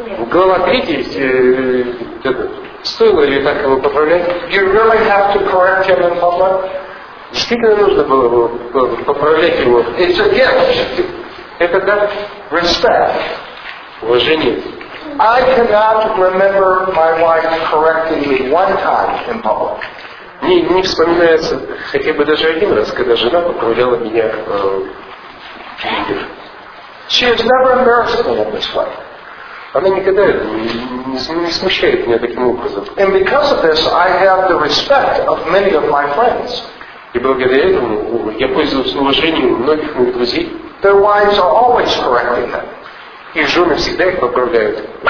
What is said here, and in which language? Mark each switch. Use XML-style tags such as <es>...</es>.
<ru>Глава 3, стоило ли так его поправлять?</ru> <en>Do you really have to correct him in public?</en> <ru>Действительно нужно было поправлять его.</ru> <en>It's a gift.</en> <ru>Это дар.</ru> <en>Respect.</en> <ru>Уважение.</ru> <en>I cannot remember my wife correcting me one time in public.</en> <ru>Не вспоминается хотя бы даже один раз, когда жена поправляла меня</ru> <en>She has never embarrassed me in this way.</en> <ru>Она никогда не смущает меня таким образом.</ru> <en>And because of this, I have the respect of many of my friends.</en> <ru>И благодаря этому я пользуюсь уважением многих моих друзей.</ru> <en>Their wives are always correcting them.</en> <ru>Их жены всегда их поправляют.</ru>